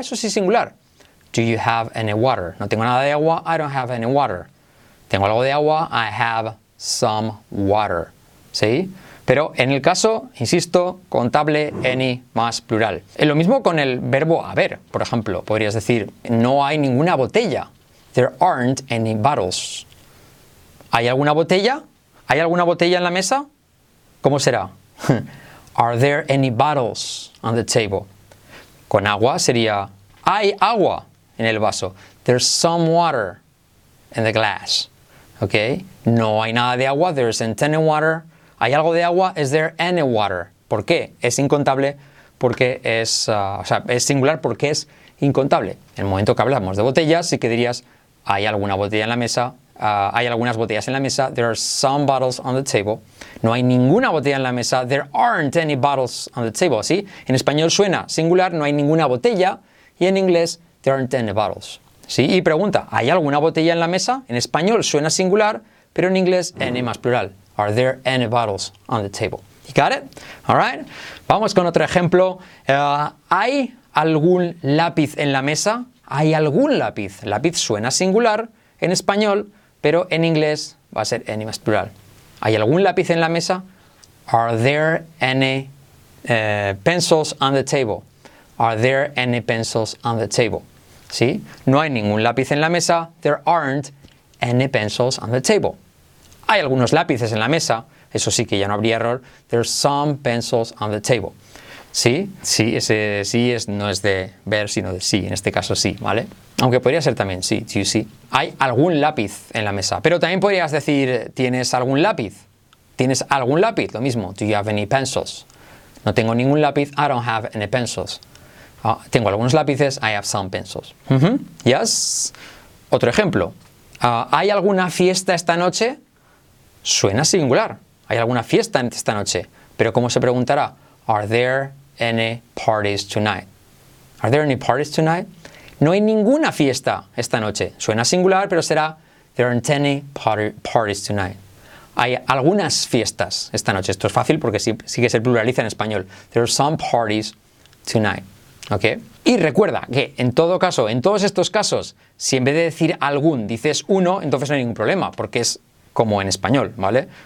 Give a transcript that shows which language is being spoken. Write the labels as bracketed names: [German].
[Spanish] Eso sí, singular. [English] Do you have any water? [Spanish] No tengo nada de agua. [English] I don't have any water. [Spanish] Tengo algo de agua. [English] I have some water. ¿Sí? [Spanish] Pero en el caso, insisto, contable, any, más plural. Es lo mismo con el verbo haber, por ejemplo. Podrías decir, no hay ninguna botella. [English] There aren't any bottles. [Spanish] ¿Hay alguna botella? ¿Hay alguna botella en la mesa? ¿Cómo será? [English] Are there any bottles on the table? [Spanish] Con agua sería, hay agua en el vaso. [English] There's some water in the glass. [Spanish] Okay? No hay nada de agua. [English] There isn't any water. [Spanish] ¿Hay algo de agua? [English] Is there any water? [Spanish] ¿Por qué? Es incontable porque es, es singular porque es incontable. En el momento que hablamos de botellas, sí que dirías, ¿hay alguna botella en la mesa? Hay algunas botellas en la mesa. [English] There are some bottles on the table. [Spanish] No hay ninguna botella en la mesa. [English] There aren't any bottles on the table. [Spanish] ¿Sí? En español suena singular, no hay ninguna botella. Y en inglés, [English] there aren't any bottles. [Spanish] ¿Sí? Y pregunta, ¿hay alguna botella en la mesa? En español suena singular, pero en inglés, any más plural. [English] Are there any bottles on the table? You got it? All right. [Spanish] Vamos con otro ejemplo. ¿Hay algún lápiz en la mesa? ¿Hay algún lápiz? Lápiz suena singular en español, pero en inglés va a ser any más plural. ¿Hay algún lápiz en la mesa? [English] Are there any pencils on the table? Are there any pencils on the table? [Spanish] ¿Sí? No hay ningún lápiz en la mesa. [English] There aren't any pencils on the table. [Spanish] Hay algunos lápices en la mesa. Eso sí que ya no habría error. [English] There's some pencils on the table. [Spanish] ¿Sí? Sí, ese sí es, no es de ver, sino de sí. En este caso sí, ¿vale? Aunque podría ser también sí. [English] Do you see? [Spanish] Hay algún lápiz en la mesa. Pero también podrías decir, ¿tienes algún lápiz? ¿Tienes algún lápiz? Lo mismo. [English] Do you have any pencils? [Spanish] No tengo ningún lápiz. [English] I don't have any pencils. [Spanish] Tengo algunos lápices. [English] I have some pencils. Mm-hmm. Yes. [Spanish] Otro ejemplo. ¿Hay alguna fiesta esta noche? Suena singular. ¿Hay alguna fiesta esta noche? Pero ¿cómo se preguntará? [English] Are there any parties tonight? Are there any parties tonight? [Spanish] No hay ninguna fiesta esta noche. Suena singular, pero será [English] there aren't any parties tonight. [Spanish] Hay algunas fiestas esta noche. Esto es fácil porque sí que se pluraliza en español. There are some parties tonight. ¿Okay? Y recuerda que en todo caso, en todos estos casos, si en vez de decir algún dices uno, entonces no hay ningún problema porque es como en español, ¿vale?